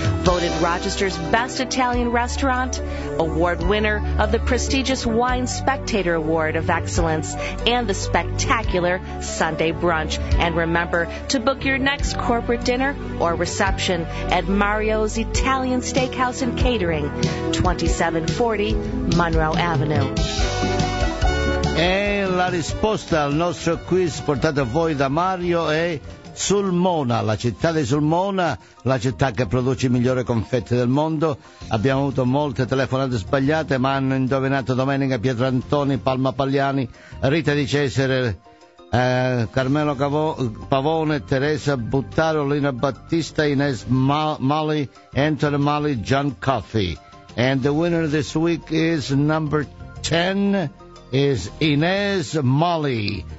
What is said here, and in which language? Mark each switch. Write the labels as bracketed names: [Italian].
[English] Voted Rochester's best Italian restaurant, award winner of the prestigious Wine Spectator Award of Excellence, and the spectacular Sunday brunch. And remember to book your next corporate dinner or reception at Mario's Italian Steakhouse and Catering, 2740 Monroe Avenue. [Italian] E la risposta al nostro quiz portato a voi da Mario è Sulmona, la città di Sulmona, la città che produce i migliori confetti del mondo. Abbiamo avuto molte telefonate sbagliate, ma hanno indovinato Domenica Pietrantoni, Palma Pagliani, Rita di Cesare, Carmelo Pavone, Teresa Buttaro, Lina Battista, Ines Mali, Anthony Mali, John Coffey. [English] And the winner this week is number 10, is Ines Mali.